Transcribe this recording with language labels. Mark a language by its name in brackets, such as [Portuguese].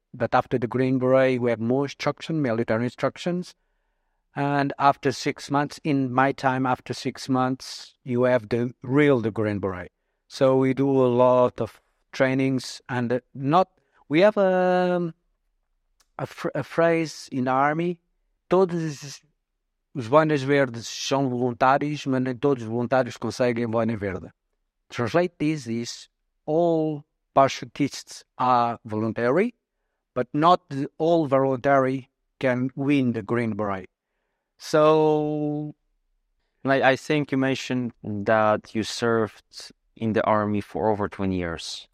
[English] But after the Green Beret, we have more instruction, military instructions. And after 6 months, in my time, after 6 months, you have the real the Green Beret. So we do a lot of trainings and not... We have a phrase in the army. [Portuguese] Todos os boinas verdes são voluntários, mas nem todos os voluntários conseguem boina verde. [English] Translate this is all parachutists are voluntary. But not all voluntary can win the Green Beret. So, like, I think you mentioned that you served in the army for over 20 years.